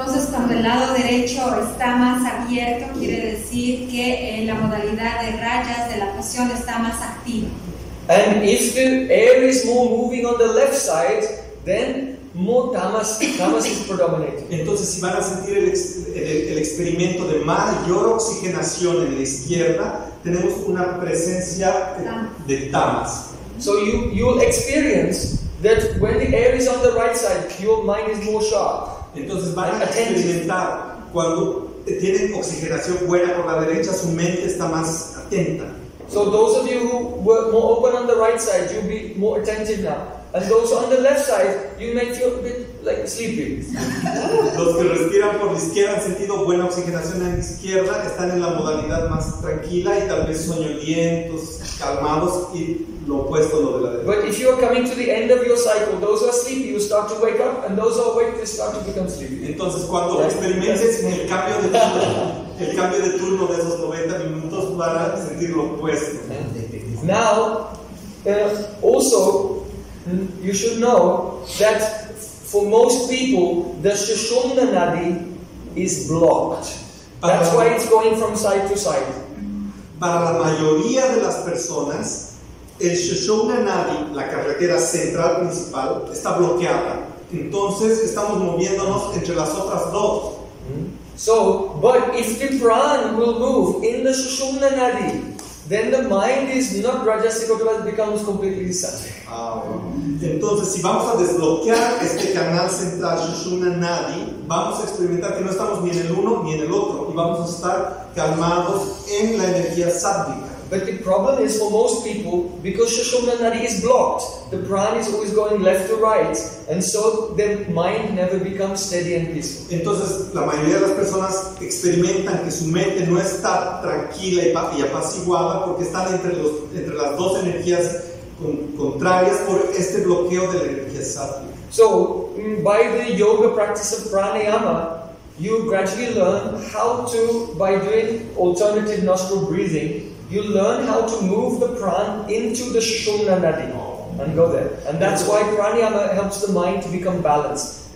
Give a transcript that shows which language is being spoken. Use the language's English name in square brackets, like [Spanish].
[Spanish] cuando el lado derecho está más abierto, quiere decir que la modalidad de rayas de la fusión está más activa. [English] And if the air is more moving on the left side, then more tamas is predominating. [Spanish] Entonces, si van a sentir el experimento de mayor oxigenación en la izquierda, tenemos una presencia de tamas. [English] So you'll experience that when the air is on the right side, your mind is more sharp. [Spanish] Entonces van a experimentar cuando tienen oxigenación buena por la derecha, su mente está más atenta. [English] So those of you who were more open on the right side, you'll be more attentive now. And those on the left side, you may feel a bit like sleepy. [Spanish] Los que respiran por la izquierda han sentido buena oxigenación en la izquierda, están en la modalidad más tranquila y tal vez soñolientos, calmados y lo opuesto a lo de la derecha. [English] But if you are coming to the end of your cycle, those who are sleepy, you start to wake up, and those who are awake, they start to become sleepy. [Spanish] Entonces, cuando experimentes el cambio de turno de esos 90 minutos, van a sentir lo opuesto. [English] Now, also, you should know that for most people, the Shushumna Nadi is blocked. That's why it's going from side to side. [Spanish] Para la mayoría de las personas, el Shushumna Nadi, la carretera central principal, está bloqueada. Entonces, estamos moviéndonos entre las otras dos. [English] So, but if the pran will move in the Shushumna Nadi, then the mind is not rajasic, but it becomes completely sattvic. [Spanish] Entonces, si vamos a desbloquear este canal central Shushumna Nadi, vamos a experimentar que no estamos ni en el uno ni en el otro, y vamos a estar calmados en la energía sattvica. [English] But the problem is for most people, because Shushumna Nadi is blocked, the prana is always going left to right, and so their mind never becomes steady and peaceful. [Spanish] Entonces, la mayoría de las personas experimentan que su mente no está tranquila y apaciguada porque están entre las dos energías contrarias por este bloqueo de la energía sattvic. [English] So, by the yoga practice of pranayama, you gradually learn how to, by doing alternative nostril breathing, you learn how to move the prana into the Shushumna Nadi and go there. And that's why pranayama helps the mind to become balanced.